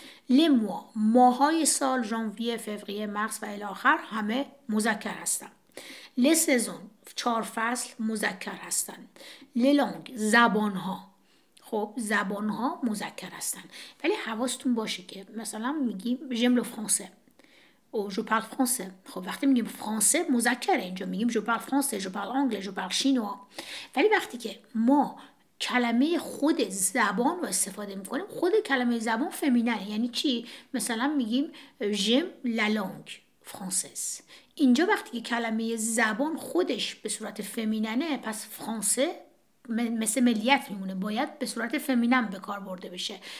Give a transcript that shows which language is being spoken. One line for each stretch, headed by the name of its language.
Persian: لموا، ماهای سال، ژانویه، فوریه، مارس و الاخر همه مذکر هستن. لسزون، چهار فصل مذکر هستن. للانگ، زبانها، خب زبانها مذکر هستن. ولی حواستون باشه که مثلا میگیم جمل فرانسه،
French: je parle français.
Persian: خب وقتی میگیم فرانسه مذکر، اینجا میگیم
French: je parle français, je parle anglais, je parle chinois.
Persian: ولی وقتی که ما کلمه خود زبان رو استفاده میکنیم، خود کلمه زبان فمینن، یعنی چی؟ مثلا میگیم
French: j'aime la langue française.
Persian: اینجا وقتی که کلمه زبان خودش به صورت فمیننه، پس فرانسه مثل ملیت میمونه، باید به صورت فمینن به کار برده بشه.